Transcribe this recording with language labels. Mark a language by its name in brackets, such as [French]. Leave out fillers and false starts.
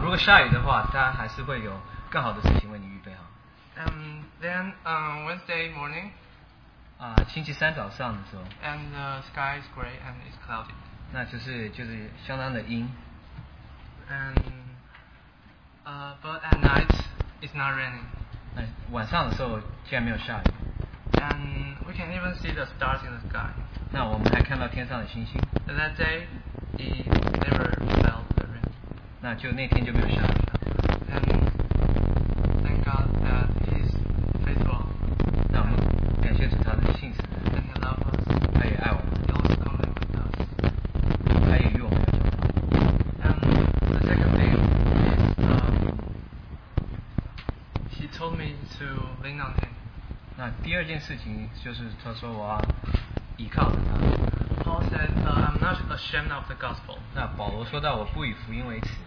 [Chinese] 如果下雨的话，他还是会有更好的事情为你预备好。 [English] Then Wednesday morning. [Chinese] 星期三早上的时候。 [English] And the sky is gray and it's cloudy. [Chinese] 那就是相当的阴。 [English] And but at night it's not raining. [Chinese] 晚上的时候竟然没有下雨。 [English] And we can even see the stars in the sky. [Chinese] 那我们还看到天上的星星。 [English] And that day, it never fell the rain. [Chinese] 那就那天就没有下雨了。 [English] And thank God that He's faithful. [Chinese] 那我们感谢主他的信实。 [English] And He loves us. [Chinese] 他也爱我们。 [English] He always comes with us. [Chinese] 他也与我们有交通。 [English] And the second thing is, He told me to lean on Him. [Chinese] 那第二件事情就是他说我要依靠他。 [English] Paul said, I'm not ashamed of the gospel. [Chinese] 那保罗说到我不以福音为耻。